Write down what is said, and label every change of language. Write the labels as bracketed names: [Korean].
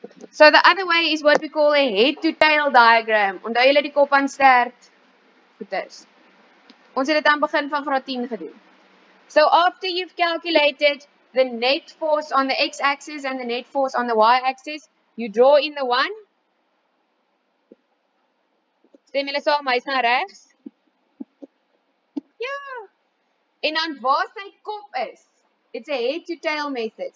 [English] So the other way is what we call a head to tail diagram. [Afrikaans] Onthou julle die kop aan stert goedes. Ons het dit aan begin van graad 10 gedoen. [English] So after you've calculated the net force on the x-axis and the net force on the y-axis, you draw in the one. [Afrikaans] Stem julle saam, hy's na regs. Ja. En dan waar sy kop is. [English] It's a head to tail method.